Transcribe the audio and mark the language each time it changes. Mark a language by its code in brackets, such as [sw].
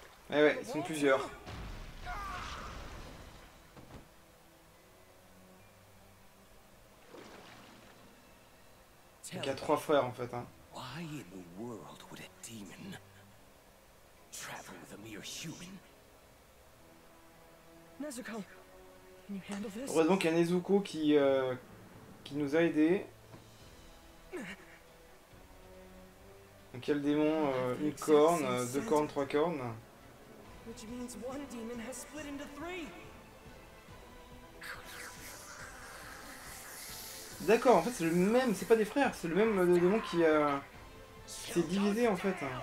[fr] Eh ouais, ils sont plusieurs. Il y a trois frères en fait, hein. [en] Why in the world would a demon travel with a mere human? Nezuko, can you handle this? [fr] Heureusement qu'il y a Nezuko qui nous a aidés. Donc il y a le démon, une corne, deux cornes, trois cornes. [en] Which means one demon has split into three. [fr] D'accord, en fait c'est le même, c'est pas des frères, c'est le même démon qui s'est divisé en fait.